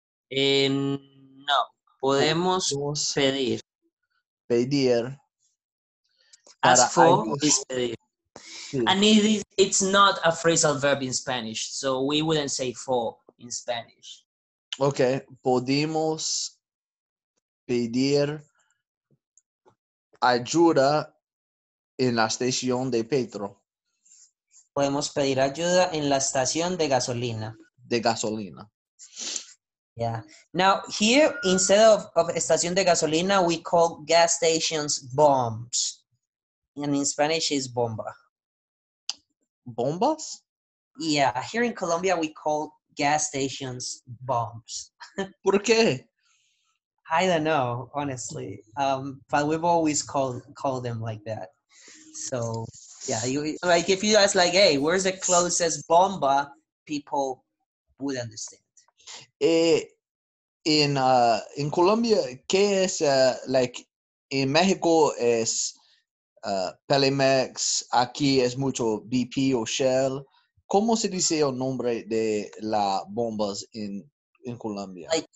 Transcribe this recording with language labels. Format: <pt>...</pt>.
<es>No. Podemos pedir. Pedir.</es> <en>Ask for is pedir. Sí. And it's not a phrasal verb in Spanish, so we wouldn't say for in Spanish. Okay.</en> <es>Podemos pedir ayuda en la estación de Petro. Podemos pedir ayuda en la estación de gasolina. De gasolina.</es> <en>Yeah. Now, here, instead of</en> <es>estación de gasolina,</es> <en>we call gas stations bombs. And in Spanish, it's bomba.</en> <es>Bombas?</es> <en>Yeah. Here in Colombia, we call gas stations bombs.</en> <es>¿Por qué?</es> <en>I don't know, honestly. But we've always called them like that. So, yeah, if you ask like, hey, where's the closest bomba, people would understand. In Colombia,</en> <es>¿qué es,</es> <en>like, in Mexico</en> <es>es Pelimex, aquí es mucho BP o Shell. ¿Cómo se dice el nombre de las bombas</es> <en>in Colombia?</en>